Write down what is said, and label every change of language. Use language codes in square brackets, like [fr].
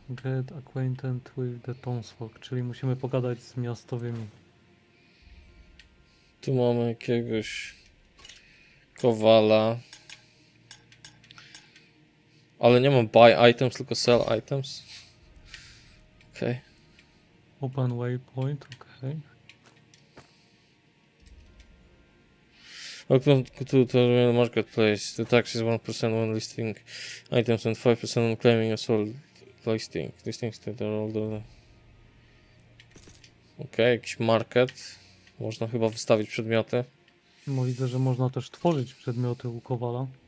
[en] Get acquainted with the townsfolk. [pl] Czyli musimy pogadać z miastowymi. Tu mamy jakiegoś kowala. Ale nie mam [en] buy items, [pl] tylko [en] sell items. [pl] Okej. [en] Okay. Open waypoint, okej. Okay. Welcome to the marketplace. The tax is 1% on listing items and 5% on claiming a sold listing. Listings that are all the... [pl] Okej, jakiś market. Można chyba wystawić przedmioty. No widzę, że można też tworzyć przedmioty u kowala.